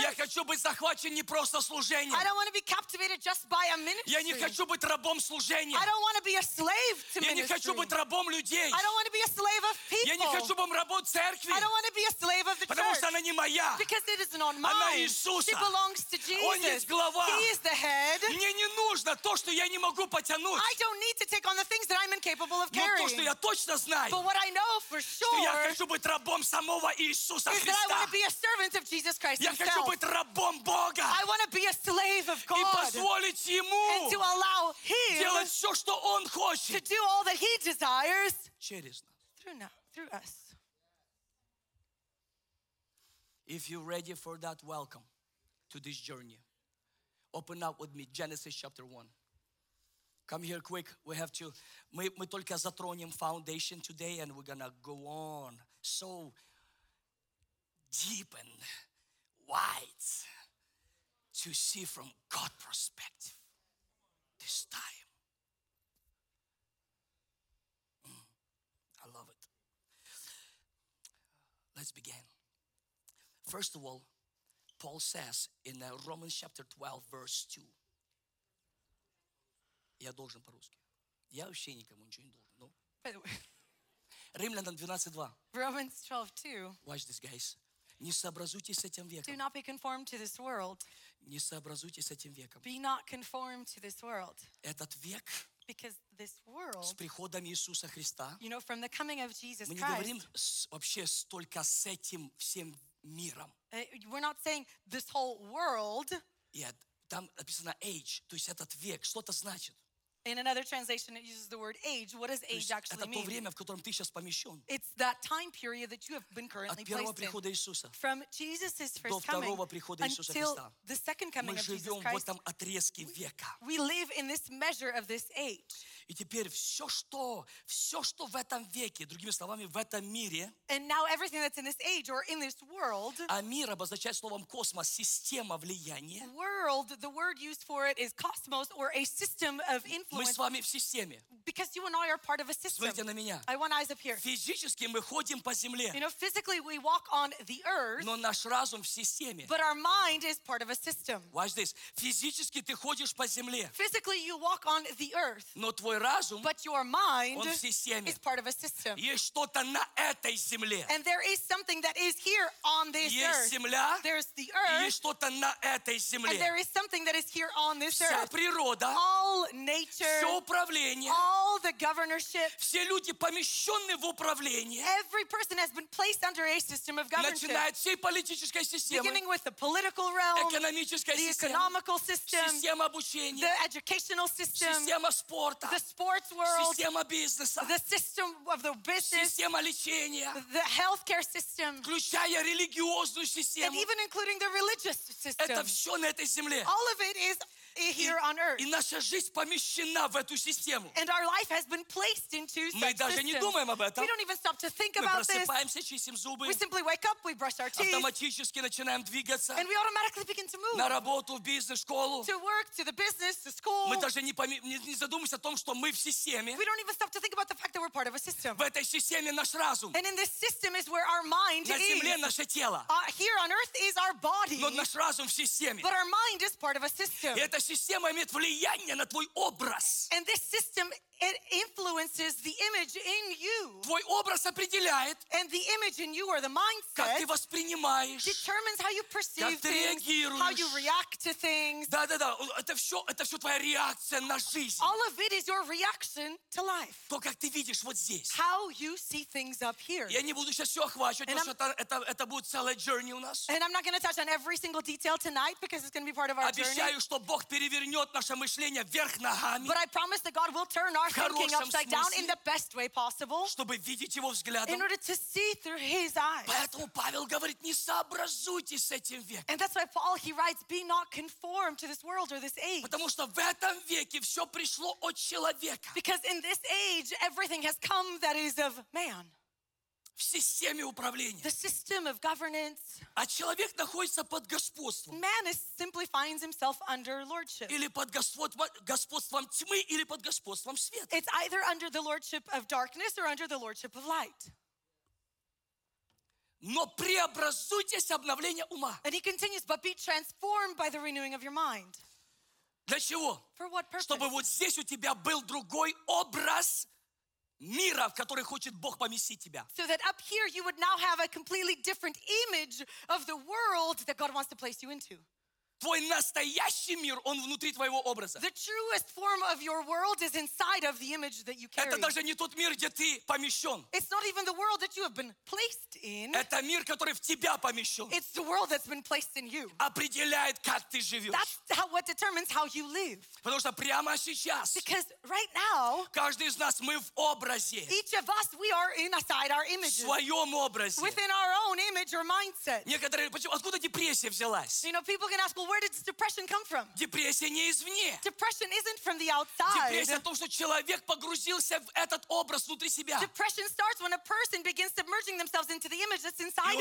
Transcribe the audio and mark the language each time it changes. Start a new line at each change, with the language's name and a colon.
Russian: Я хочу быть захвачен не просто служением.
English: I don't want to be captivated just by a ministry.
Russian: Я не хочу быть рабом служения.
English: I don't want to be a slave to ministry.
Russian: Я не хочу быть рабом людей.
English: I don't want to be a slave of people.
Russian: Я не хочу быть рабом церкви.
English: I don't want to be a slave.
Russian: Потому что она не моя.
English: Because it is not mine.
Russian: Она Иисуса.
English: She belongs to Jesus.
Russian: Он есть глава.
English: He is the head.
Russian: Мне не нужно то, что я не могу потянуть.
English: I don't need to take on the things that I'm incapable of carrying.
Russian: Но то, что я точно знаю.
English: But what I know for sure.
Russian: Что я хочу быть рабом самого Иисуса Христа.
English: Is that I want to be a servant of Jesus Christ
Russian: Я
English: himself.
Russian: Хочу быть рабом Бога.
English: I want to be a slave of God.
Russian: И позволить Ему.
English: And to allow Him.
Russian: Делать все, что Он хочет.
English: To do all that He desires.
Russian: Через нас.
English: Through us. If you're ready for that, welcome to this journey. Open up with me, Genesis chapter 1. Come here quick. We have to,
Russian: мы только затронем
English: foundation today, and we're gonna go on so deep and wide to see from God's perspective this time. I love it. Let's begin. First of all, Paul says in Romans chapter 12, verse 2.
Russian: Я должен по-русски. Я вообще никому ничего не должен.
English: No. By the way.
Russian: Римлянам 12:2.
English: Romans 12:2. Watch this, guys.
Russian: Не сообразуйтесь с этим веком.
English: Do not be conformed to this world.
Russian: Не сообразуйтесь с этим веком.
English: Be not conformed to this world.
Russian: Этот век.
English: Because this world,
Russian: с приходом Иисуса Христа.
English: You know, from the coming of Jesus Christ.
Russian: Мы не говорим вообще столько с этим всем.
English: We're not saying this whole world.
Russian: Yeah, там написано age, то есть этот век, что-то значит.
English: In another translation, it uses the word age. What does age
Russian: то
English: actually
Russian: это
English: mean?
Russian: То время, в котором ты сейчас помещен.
English: It's that time period that you have been currently placed in.
Russian: От первого прихода Иисуса.
English: From Jesus' first coming.
Russian: До второго прихода Иисуса Христа.
English: Until the second coming of Jesus Christ.
Russian: Мы живем в этом отрезке века.
English: We live in this measure of this age.
Russian: И теперь все, что в этом веке, другими словами, в этом мире.
English: And now everything that's in this age or in this world.
Russian: А мир обозначает словом космос, система влияния.
English: World, the word used for it is cosmos or a system of influence.
Russian: Мы с вами в системе.
English: Because you and I are part of a system.
Russian: Смотрите на меня.
English: I want eyes up here.
Russian: Физически мы ходим по земле.
English: You know, physically we walk on the earth.
Russian: Но наш разум в системе.
English: But our mind is part of a system. Watch this.
Russian: Физически ты ходишь по земле.
English: Physically you walk on the earth.
Russian: Но твой разум,
English: but your mind
Russian: он в системе.
English: Is part of a system.
Russian: Есть что-то на этой земле.
English: And there is something that is here on this
Russian: есть
English: earth.
Russian: Есть земля.
English: There's the earth.
Russian: Есть что-то на этой земле.
English: And there is something that is here on this
Russian: вся
English: earth.
Russian: Вся природа.
English: All nature.
Russian: Все управление,
English: all the governorship,
Russian: все люди помещены в управление,
English: every person has been placed under a system of governorship,
Russian: начиная от всей политической системы,
English: beginning with the political realm,
Russian: экономическая система,
English: economical system,
Russian: система обучения,
English: the educational system,
Russian: система спорта,
English: the sports world,
Russian: система бизнеса,
English: the system of the business,
Russian: система лечения,
English: the healthcare system,
Russian: включая религиозную систему,
English: and even including the religious system.
Russian: Это все на этой земле.
English: All of it is here on earth.
Russian: И наша жизнь помещена в эту систему.
English: And our life has been placed into such systems.
Russian: Мы даже не думаем об этом.
English: We don't even stop to think
Russian: мы
English: about this.
Russian: Мы просыпаемся, чистим зубы.
English: We simply wake up, we brush our teeth.
Russian: Автоматически начинаем двигаться.
English: And we automatically begin to move.
Russian: На работу, в бизнес, школу.
English: To work, to the business, to school.
Russian: Мы даже не задумываемся о том, что мы в системе.
English: We don't even stop to think about the fact that we're part of a system.
Russian: В этой системе наш разум.
English: And in this system is where our mind
Russian: на земле
English: is.
Russian: Наше тело.
English: Here on earth is our body.
Russian: Но наш разум в системе.
English: But our mind is part of a system.
Russian: И это система имеет влияние на твой образ.
English: And this system, it influences the image in you.
Russian: Твой образ определяет.
English: And the image in you or the mindset.
Russian: Как ты воспринимаешь.
English: Determines how you perceive things.
Russian: Как ты реагируешь.
English: How you react to things.
Russian: Да-да-да. Это все твоя реакция на жизнь.
English: All of it is your reaction to life.
Russian: То, как ты видишь вот здесь.
English: How you see things up here.
Russian: Я не буду сейчас все охвачивать, потому что это будет целая journey у нас.
English: And I'm not going to touch on every single detail tonight because it's going to be part of our journey.
Russian: Обещаю, что Бог перевернет наше мышление вверх ногами.
English: But I promise that God will turn our thinking upside down in the best way possible,
Russian: чтобы видеть его взглядом,
English: in order to see through his eyes.
Russian: Поэтому Павел говорит, не сообразуйтесь с этим веком.
English: And that's why Paul, he writes, be not conformed to this world or this age.
Russian: Потому что в этом веке все пришло от человека.
English: Because in this age, everything has come that is of man.
Russian: В системе управления.
English: The system of governance.
Russian: А человек находится под господством.
English: Man is simply finds himself under lordship.
Russian: Или под господством тьмы, или под господством света.
English: It's either under the lordship of darkness or under the lordship of light.
Russian: Но преобразуйтесь обновление ума.
English: And he continues, but be transformed by the renewing of your mind.
Russian: Для чего?
English: For what purpose?
Russian: Чтобы вот здесь у тебя был другой образ мира, в который хочет Бог поместить тебя.
English: So that up here you would now have a completely different image of the world that God wants to place you into.
Russian: Твой настоящий мир, он внутри твоего образа.
English: The truest form of your world is inside of the image that you carry.
Russian: Это даже не тот мир, где ты помещен.
English: It's not even the world that you have been placed in.
Russian: Это мир, который в тебя помещен.
English: It's the world that's been placed in you.
Russian: Определяет, как ты живешь.
English: That's how, what determines how you live.
Russian: Потому что прямо сейчас.
English: Because right now.
Russian: Каждый из нас, мы в образе.
English: Each of us, we are inside our image.
Russian: В своем образе.
English: Within our own image or mindset.
Russian: Некоторые, почему, откуда депрессия взялась?
English: You know, people can ask, well, where did depression come from?
Russian: Депрессия не извне.
English: Depression isn't from the outside.
Russian: Депрессия в том, что человек погрузился в этот образ внутри себя.
English: Depression starts when a person begins submerging themselves into the image that's inside of them.